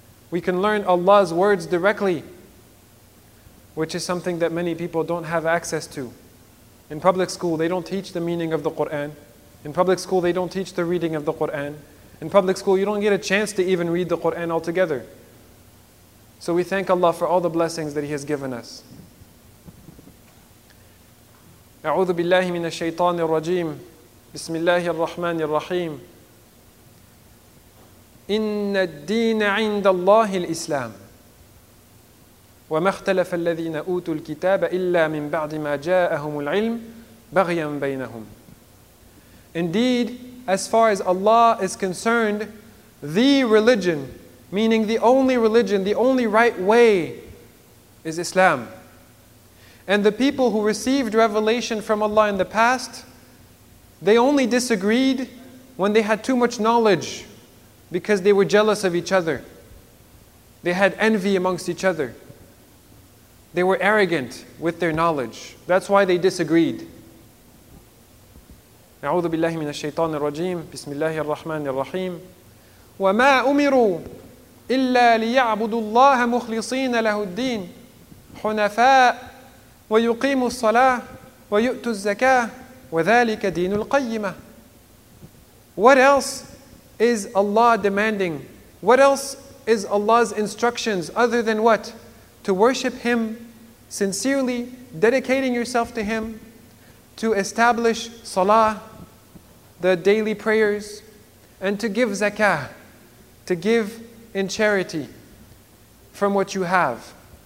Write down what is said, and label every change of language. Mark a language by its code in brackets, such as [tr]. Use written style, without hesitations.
[en] We can learn Allah's words directly, which is something that many people don't have access to. In public school, they don't teach the meaning of the Quran. In public school, they don't teach the reading of the Quran. In public school, you don't get a chance to even read the Quran altogether. So we thank Allah for all the blessings that He has given us. [ar] أعوذ بالله من الشيطان الرجيم بسم الله الرحمن الرحيم إن الدين عند الله الإسلام وما اختلف الذين أوتوا الكتاب إلا من بعد ما جاءهم العلم بغيا بينهم. [en] Indeed, as far as Allah is concerned, the religion, meaning the only religion, the only right way, is Islam. And the people who received revelation from Allah in the past, they only disagreed when they had too much knowledge, because they were jealous of each other. They had envy amongst each other. They were arrogant with their knowledge. That's why they disagreed. [ar] أعوذ بالله من الشيطان الرجيم بسم الله الرحمن الرحيم وما أمروا إلا ليعبدوا الله مخلصين له الدين حنفاء ويقيم الصلاة ويؤت الزكاة وذلك دين القيمة. [en] What else is Allah demanding? What else is Allah's instructions other than what? To worship Him sincerely, dedicating yourself to Him, to establish salah, the daily prayers, and to give zakah, to give in charity from what you have.